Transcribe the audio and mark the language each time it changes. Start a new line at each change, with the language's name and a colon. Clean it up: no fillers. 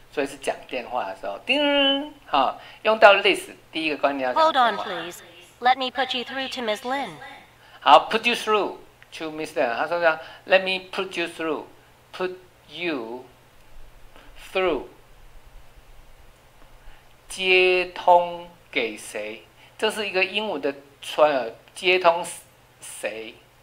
Chinese: 所以是讲电话的时候，叮，好、哦，用到 this 第一个观念要讲电话。
English: Hold on, please. Let me put you through to Miss Lin. 好 ，put you through to Miss Lin.
Chinese: 他说叫
English: Let me put you through, put you through.
Chinese: 接通给谁？这是一个英文的串，接通谁？